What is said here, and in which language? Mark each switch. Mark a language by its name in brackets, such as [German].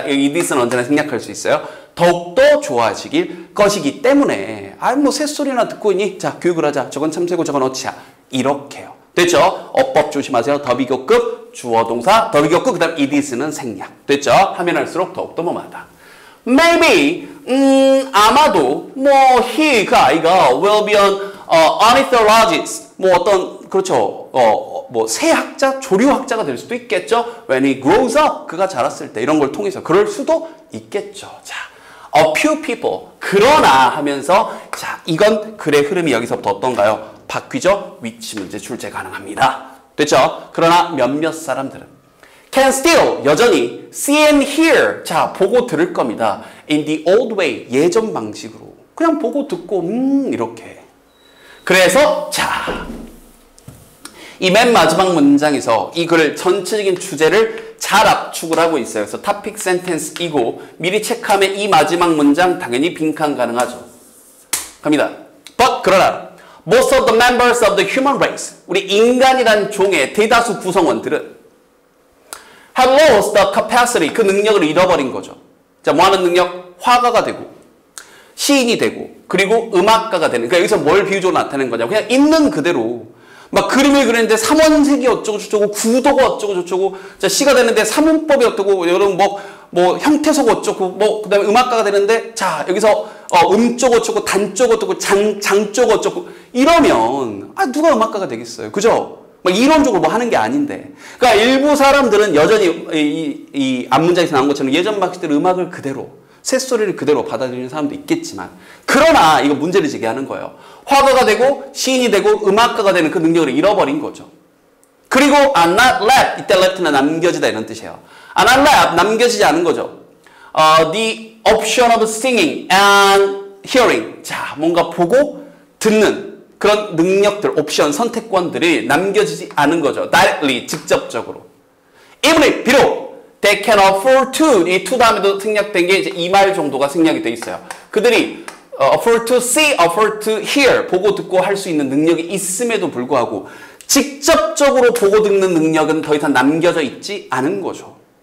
[Korean] 이 is는 언제나 생략할 수 있어요. 더욱더 좋아지길 것이기 때문에, 아, 뭐 새소리나 듣고 있니? 자, 교육을 하자. 저건 참새고 저건 어치야. 이렇게요. 됐죠? 어법 조심하세요. 더비교급, 주어동사, 더비교급, 그 다음 it is는 생략. 됐죠? 하면 할수록 더욱더 뭐마다. [English] Maybe, [Korean] 아마도 뭐 [English] he, [Korean] 그 아이가 [English] will be an ornithologist. [Korean] 뭐 어떤, 그렇죠. 뭐 새학자, 조류학자가 될 수도 있겠죠? [English] When he grows up, [Korean] 그가 자랐을 때 이런 걸 통해서 그럴 수도 있겠죠. 자, a few people, 그러나 하면서, 자, 이건 글의 흐름이 여기서부터 어떤가요? 바뀌죠? 위치 문제 출제 가능합니다. 됐죠? 그러나 몇몇 사람들은 [English] can still, [Korean] 여전히, [English] see and hear, [Korean] 자, 보고 들을 겁니다. [English] In the old way, [Korean] 예전 방식으로. 그냥 보고 듣고, 이렇게. 그래서, 자, 이 맨 마지막 문장에서 이 글 전체적인 주제를 잘 압축을 하고 있어요. 그래서 topic sentence이고, 미리 체크하면 이 마지막 문장 당연히 빈칸 가능하죠. 갑니다. [English] But, [Korean] 그러나, [English] most of the members of the human race, [Korean] 우리 인간이란 종의 대다수 구성원들은 [English] have lost the capacity, [Korean] 그 능력을 잃어버린 거죠. 자, 뭐 하는 능력? 화가가 되고, 시인이 되고, 그리고 음악가가 되는, 그러니까 여기서 뭘 비유적으로 나타낸 거냐고, 그냥 있는 그대로, 막 그림을 그리는데 삼원색이 어쩌고 저쩌고, 구도가 어쩌고 저쩌고, 자, 시가 되는데 삼음법이 어쩌고, 여러분 뭐, 형태소가 어쩌고, 뭐, 그 다음에 음악가가 되는데, 자, 여기서, 음쪽 어쩌고, 단쪽 어쩌고, 장쪽 어쩌고, 이러면, 아, 누가 음악가가 되겠어요. 그죠? 막 이론적으로 뭐 하는 게 아닌데. 그러니까 일부 사람들은 여전히 이 앞문장에서 나온 것처럼 예전 방식대로 음악을 그대로, 새소리를 그대로 받아들이는 사람도 있겠지만. 그러나, 이거 문제를 제기하는 거예요. 화가가 되고, 시인이 되고, 음악가가 되는 그 능력을 잃어버린 거죠. 그리고, [English] I'm not left. [Korean] 이때 left는 남겨지다 이런 뜻이에요. [English] I'm not left. [Korean] 남겨지지 않은 거죠. [English] The option of singing and hearing. [Korean] 자, 뭔가 보고 듣는. 그런 능력들, 옵션, 선택권들이 남겨지지 않은 거죠. directly, 직접적으로. even if, 비록, [English] they can afford to, [Korean] 이 to 다음에도 생략된 게 이제 이 말 정도가 생략이 돼 있어요. 그들이 [English] afford to see, afford to hear, [Korean] 보고 듣고 할 수 있는 능력이 있음에도 불구하고, 직접적으로 보고 듣는 능력은 더 이상 남겨져 있지 않은 거죠.